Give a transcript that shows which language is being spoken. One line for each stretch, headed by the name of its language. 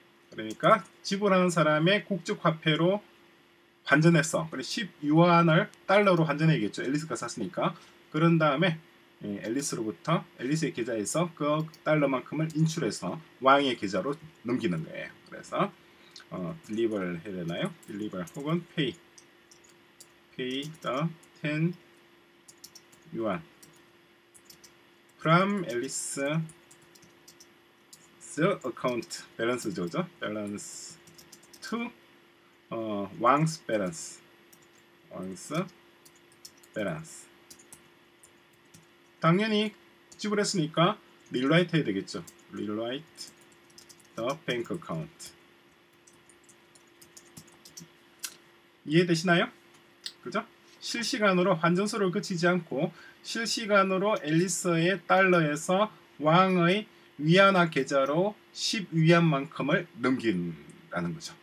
Korean: 그러니까 지불하는 사람의 국적 화폐로 환전했어. 10유안을 달러로 환전해야겠죠. 앨리스가 샀으니까. 그런 다음에 앨리스로부터 앨리스의 계좌에서 그 달러만큼을 인출해서 왕의 계좌로 넘기는 거예요. 그래서 deliver 해야 되나요?
English: deliver 혹은 pay. pay the 10 yuan from Alice's account balance죠.
Korean: 그죠?
English: balance to Wang's balance. Wang's balance.
Korean: 당연히 지불했으니까 rewrite 해야 되겠죠.
English: rewrite the bank account.
Korean: 이해되시나요? 그죠? 실시간으로 환전소를 거치지 않고 실시간으로 앨리스의 달러에서 왕의 위안화 계좌로 10위안만큼을 넘긴다는 거죠.